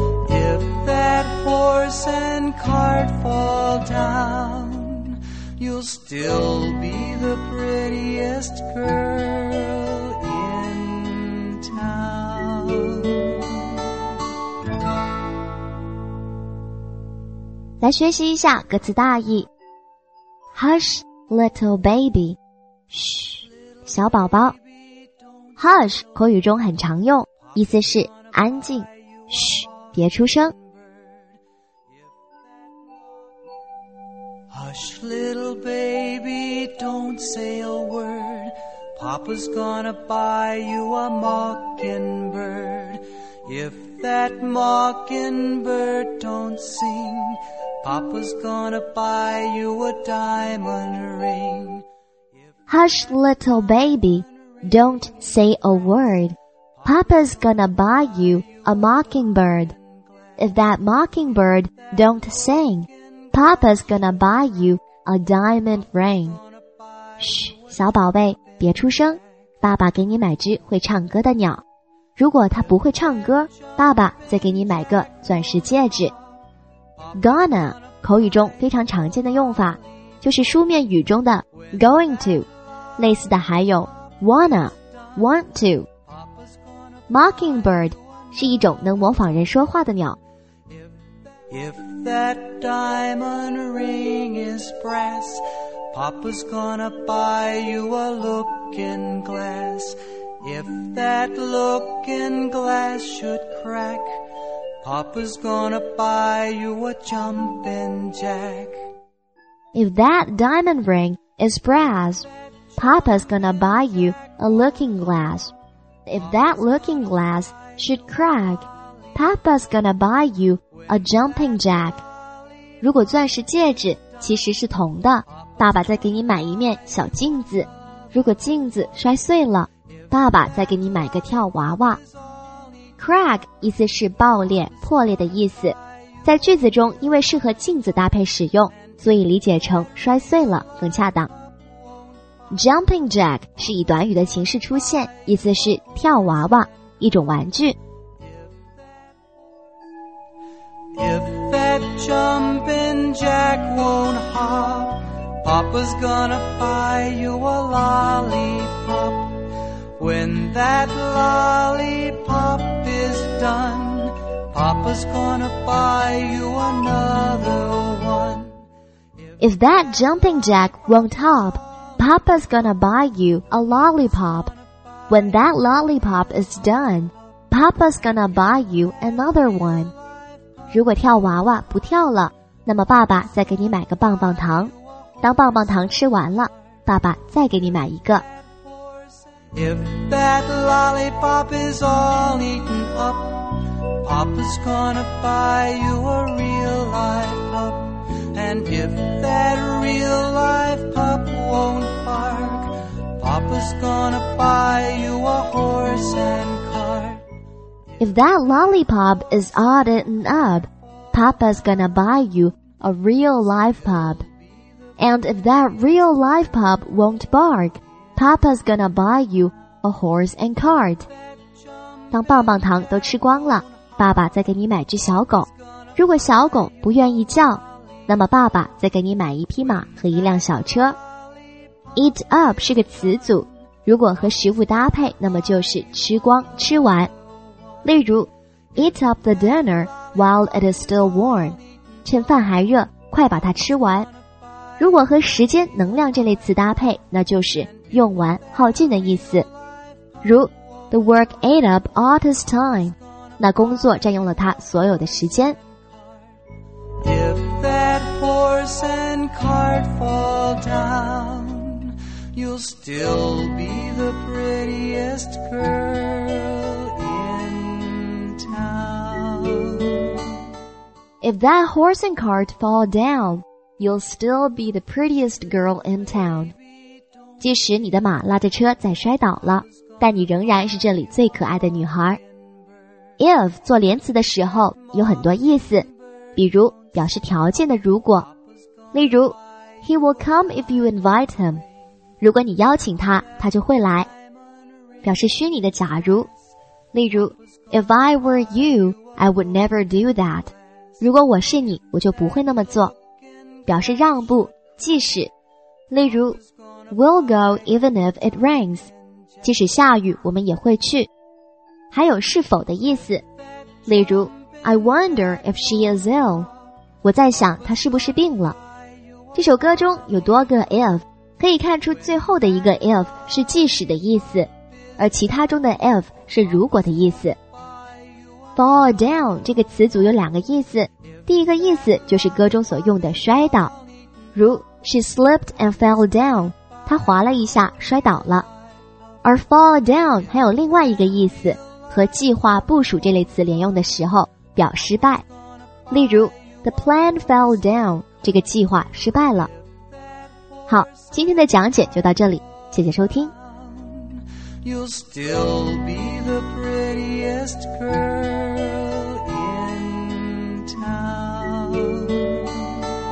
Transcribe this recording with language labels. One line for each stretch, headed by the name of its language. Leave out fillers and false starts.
English: If that horse and cart fall down, you'll still be the prettiest girl in town.
Chinese: 来学习一下歌词大意。
English: Hush little baby，
Chinese: 嘘，小宝宝。 Hush 口语中很常用，意思是安静，嘘，别出声。
English: Hush little baby， don't say a word。 Papa's gonna buy you a mockingbird。 If that mockingbird don't singPapa's gonna buy you a diamond ring. Hush little baby, don't say a word. Papa's gonna buy you a mockingbird. If that mockingbird don't sing, Papa's gonna buy you a diamond ring.
Chinese: 嘘，小宝贝，别出声，爸爸给你买只会唱歌的鸟。如果它不会唱歌，爸爸再给你买个钻石戒指。 Gonna 口语中非常常见的用法，就是书面语中的 going to， 类似的还有 wanna， want to。 Mockingbird 是一种能模仿人说话的鸟。
English: If that diamond ring is brass, Papa's gonna buy you a looking glass. If that looking glass should crackPapa's gonna buy you a jumping jack. If that diamond ring is brass, Papa's gonna buy you a looking glass. If that looking glass should crack, Papa's gonna buy you a jumping jack.
Chinese: 如果钻石戒指其实是铜的，爸爸再给你买一面小镜子。如果镜子摔碎了，爸爸再给你买个跳娃娃。 Crack 意思是爆裂、破裂的意思，在句子中因为适合镜子搭配使用，所以理解成摔碎了更恰当。 Jumping jack 是以短语的形式出现，意思是跳娃娃，一种玩具。
English: If that jumping jack won't hop, Papa's gonna buy you a lollipop. When that lollipopPapa's gonna buy you another one. If that jumping jack won't hop, Papa's gonna buy you a lollipop. When that lollipop is done, Papa's gonna buy you another one.
Chinese: 如果跳娃娃不跳了，那么爸爸再给你买个棒棒糖。当棒棒糖吃完了，爸爸再给你买一个。
English: If that lollipop is all eaten up, Papa's gonna buy you a real life pup. And if that real life pup won't bark, Papa's gonna buy you a horse and cart. If that lollipop is all eaten up, Papa's gonna buy you a real live pup. And if that real live pup won't bark, Papa's gonna buy you a horse and cart.
Chinese: 当棒棒糖都吃光了，爸爸再给你买只小狗。如果小狗不愿意叫，那么爸爸再给你买一匹马和一辆小车。 Eat up 是个词组，如果和食物搭配，那么就是吃光、吃完。例如
English: ，Eat up the dinner while it is still warm，
Chinese: 趁饭还热，快把它吃完。如果和时间、能量这类词搭配，那就是用完、耗尽的意思。如 ，
English: The work ate up all his time，
Chinese: 那工作占用了他所有的时间。
English: If that horse and cart fall down. You'll still be the prettiest girl in town. If that horse and cart fall down, you'll still be the prettiest girl in town.
Chinese: 即使你的马拉着车再摔倒了，但你仍然是这里最可爱的女孩。 If 做连词的时候有很多意思，比如表示条件的如果。例如
English: ,He will come if you invite him.
Chinese: 如果你邀请他，他就会来。表示虚拟的假如，例如
English: ,If I were you, I would never do that.
Chinese: 如果我是你，我就不会那么做。表示让步，即使。例如
English: ,We'll go even if it rains.
Chinese: 即使下雨，我们也会去。还有是否的意思。例如
English: ,I wonder if she is ill.
Chinese: 我在想她是不是病了。这首歌中有多个 if,可以看出最后的一个 if 是即使的意思，而其他中的 if 是如果的意思。 Fall down 这个词组有两个意思，第一个意思就是歌中所用的摔倒，如
English: She slipped and fell down，
Chinese: 她滑了一下摔倒了。而 fall down 还有另外一个意思，和计划部署这类词连用的时候表失败，例如
English: The plan fell down，
Chinese: 这个计划失败了。好，今天的讲解就到这里，谢谢收听。
English: You'll still be the prettiest girl in town.